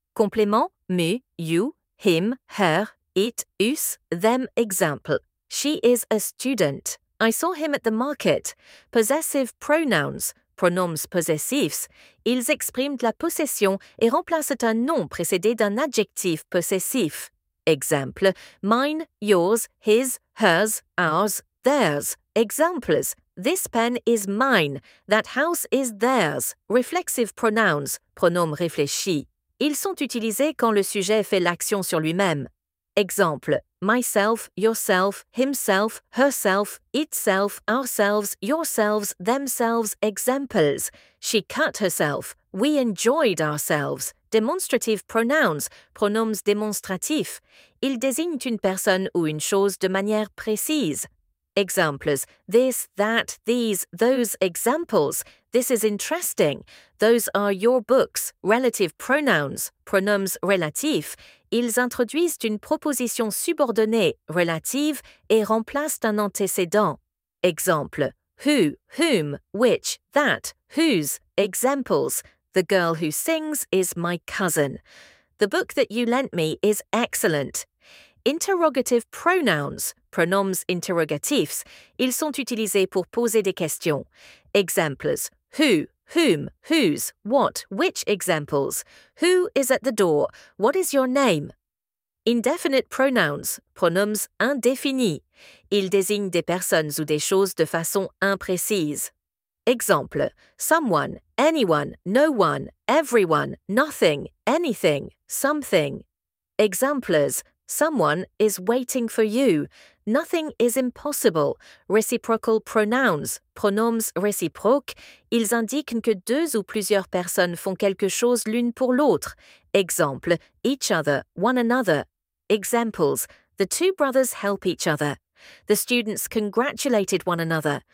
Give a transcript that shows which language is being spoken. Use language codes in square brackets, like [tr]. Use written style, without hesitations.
[en] Complément, me, you, him, her, it, us, them. Example, she is a student. I saw him at the market. Possessive pronouns, pronouns [fr] possessifs, ils expriment la possession et remplacent un nom précédé d'un adjectif possessif. [en] Exemple, mine, yours, his, hers, ours, theirs. Examples, this pen is mine, that house is theirs. Reflexive pronouns, [fr] pronoms réfléchis. Ils sont utilisés quand le sujet fait l'action sur lui-même. [en] Exemple, myself, yourself, himself, herself, itself, ourselves, yourselves, themselves. Examples, she cut herself, we enjoyed ourselves. Demonstrative pronouns, [fr] pronoms démonstratifs. Ils désignent une personne ou une chose de manière précise. [en] Examples, this, that, these, those. Examples, this is interesting. Those are your books. Relative pronouns, [fr] pronoms relatifs. Ils introduisent une proposition subordonnée, relative, et remplacent un antécédent. [en] Exemple, who, whom, which, that, whose. Examples, the girl who sings is my cousin. The book that you lent me is excellent. Interrogative pronouns, [fr] pronoms interrogatifs, ils sont utilisés pour poser des questions. [en] Examples, who, whom, whose, what, which. Examples, who is at the door, what is your name? Indefinite pronouns, [fr] pronoms indéfinis, ils désignent des personnes ou des choses de façon imprécise. [en] Example, someone, anyone, no one, everyone, nothing, anything, something. Examples, someone is waiting for you. Nothing is impossible. Reciprocal pronouns, [fr] pronoms réciproques, ils indiquent que deux ou plusieurs personnes font quelque chose l'une pour l'autre. [en] Exemple, each other, one another. Examples, the two brothers help each other. The students congratulated one another.